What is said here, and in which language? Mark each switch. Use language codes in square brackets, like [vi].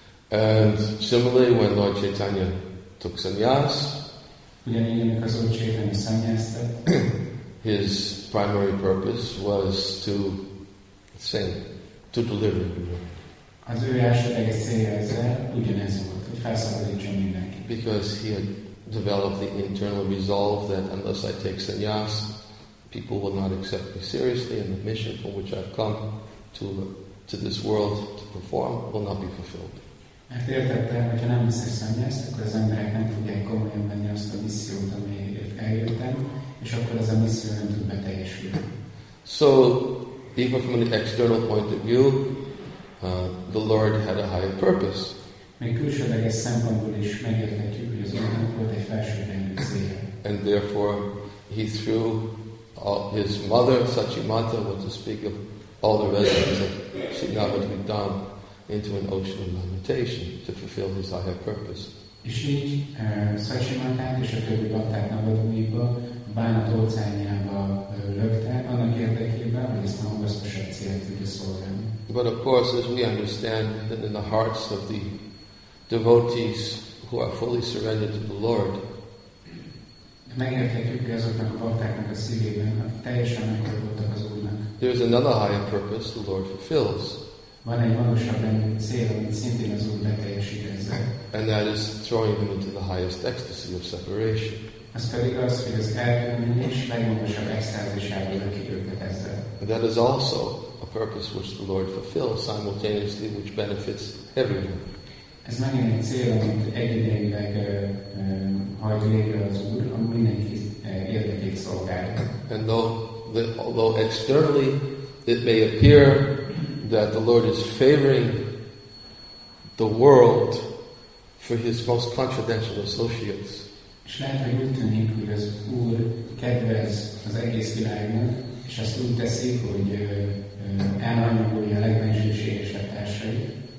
[en] And similarly, when Lord Chaitanya took sannyas, [hu] ugyanígy, amikor az Úr Chaitanya sannyasztott, [en] his primary purpose was to sing, to deliver everyone. [hu] Az ő elsődleges célja ezzel ugyanez volt, hogy felszabadítson mindenkit. [en] Because he had developed the internal resolve that unless I take sannyas, people will not accept me seriously, and the mission for which I've come to this world to perform will not be fulfilled. [hu] Mert értette, hogyha nem veszek szennyezt, akkor az emberek nem fogják komolyan venni azt a missziót, amiért eljöttem, és akkor az a misszió nem tud beteljesülni. [en] So, even from an external point of view, the Lord had a higher purpose. [hu] Még külsődleges szempontból is megérthetjük, hogy az Úrnak volt egy felsőrendű célja. [en] And therefore, he threw his mother, Sachimata, was to speak of all the residents of Srinagadvidam into an ocean of lamentation to fulfill his higher purpose. [hu] És így Sachimatát és a többi bakták Navadvipa bánat óceánjába lökte, annak érdekében, hogy ezt a magasztosabb célt tudja szolgálni. [en] But of course, as we understand, that in the hearts of the devotees who are fully surrendered to the Lord, [hu] megérthetjük, hogy azoknak a baktáknak a szívében teljesen megkapottak az Úrnak. [en] There is another higher purpose the Lord fulfills. [hu] Van egy magasabb rendű cél, amit szintén az Úr beteljesít ezzel. [en] And that is throwing them into the highest ecstasy of separation. [hu] Az pedig az, hogy az elkülönülés legmagasabb extázisába löki őket ezzel. [en] That is also a purpose which the Lord fulfills simultaneously, which benefits everyone. [hu] Ez megint egy cél, amit egyidejűleg hajt végre az Úr, ami mindenki érdekét szolgál. [en] And although externally it may appear that the Lord is favoring the world for his most confidential associates. [hu] És lehet, hogy úgy tűnik, hogy az Úr kedvez az egész világnak, és azt úgy teszik, hogy elhanyagolja a legbensőségesebb társait.